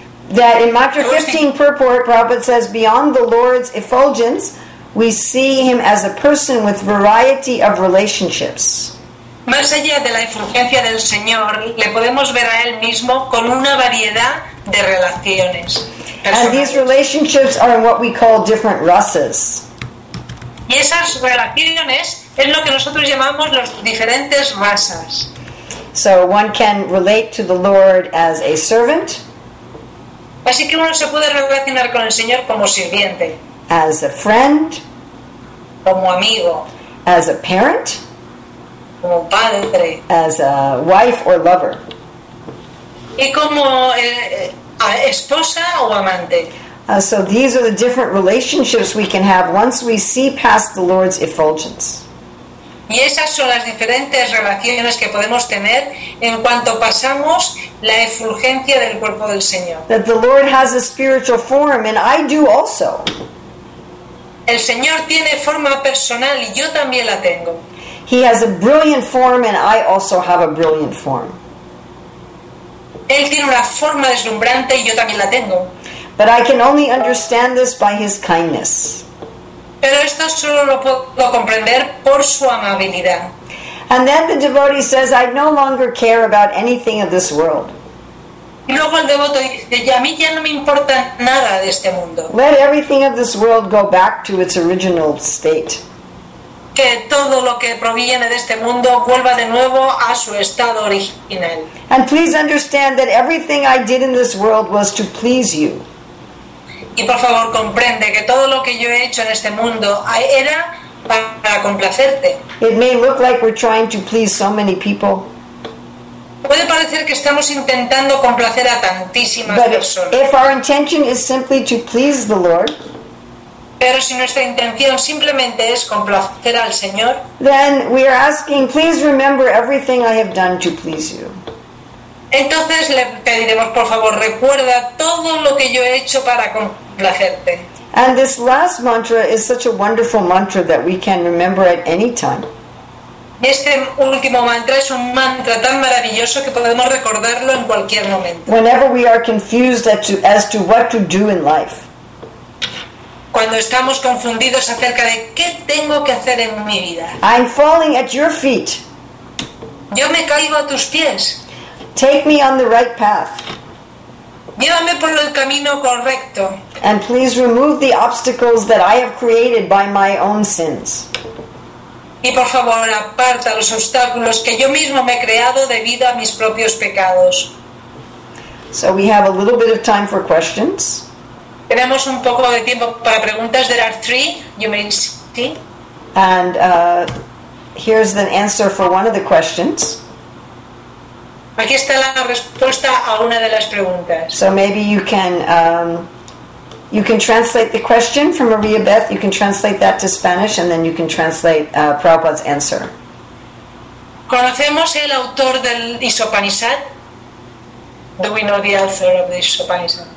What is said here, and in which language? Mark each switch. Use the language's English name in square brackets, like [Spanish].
[English] That in Mantra 15 purport, Prabhupada says, beyond the Lord's effulgence, we see him as a person with variety of relationships. [Spanish] Más allá de la efulgencia del Señor, le podemos ver a él mismo con una variedad de relaciones. [English] And these relationships are in what we call different rasas. [Spanish] Y esas relaciones es lo que nosotros llamamos los diferentes rasas. [English] So one can relate to the Lord as a servant. [Spanish] Así que uno se puede relacionar con el Señor como sirviente. [English] As a friend. [Spanish] Como amigo. [English] As a parent. [Spanish] Como padre. [English] As a wife or lover. [Spanish] Y como esposa o amante. [English] So these are the different relationships we can have once we see past the Lord's effulgence. [Spanish] Y esas son las diferentes relaciones que podemos tener en cuanto pasamos la efulgencia del cuerpo del Señor. [English] That the Lord has a spiritual form and I do also. [Spanish] El Señor tiene forma personal y yo también la tengo. [English] He has a brilliant form and I also have a brilliant form. [Spanish] Él tiene una forma deslumbrante y yo también la tengo. [English] But I can only understand this by his kindness. [Spanish] Pero esto solo lo puedo comprender por su amabilidad. [English] And then the devotee says, I no longer care about anything of this world. [Spanish] Y luego el devoto dice, a mí ya no me importa nada de este mundo. [English] Let everything of this world go back to its original state. [Spanish] Que todo lo que proviene de este mundo vuelva de nuevo a su estado original. [English] And please understand that everything I did in this world was to please you. [Spanish] Y por favor comprende que todo lo que yo he hecho en este mundo era para complacerte. [English] It may look like we're trying to please so many people. [Spanish] Puede parecer que estamos intentando complacer a tantísimas personas. [English] If our intention is simply to please the Lord, [Spanish] pero si nuestra intención simplemente es complacer al Señor, [English] then we are asking, please remember everything I have done to please you. [Spanish] Entonces le pediremos, por favor, recuerda todo lo que yo he hecho para complacerte. [English] And this last mantra is such a wonderful mantra that we can remember at any time. [Spanish] Este último mantra es un mantra tan maravilloso que podemos recordarlo en cualquier momento. [English] Whenever we are confused as to what to do in life. [Spanish] Cuando estamos confundidos acerca de qué tengo que hacer en mi vida. [English] I'm falling at your feet. [Spanish] Yo me caigo a tus pies. [English] Take me on the right path. [Spanish] Llévame por el camino correcto. [English] And please remove the obstacles that I have created by my own sins. [Spanish] Y por favor, aparta los obstáculos que yo mismo me he creado debido a mis propios pecados. [English] So we have a little bit of time for questions. [Spanish] Tenemos un poco de tiempo para preguntas. [English] There are three, you may see. And here's the answer for one of the questions. [Spanish] Aquí está la respuesta a una de las preguntas. [English] So maybe you can translate the question from Maria Beth. You can translate that to Spanish, and then you can translate Prabhupada's answer. [Spanish] ¿Conocemos el autor del Isopanishad? [English] Do we know the author of the Isopanishad?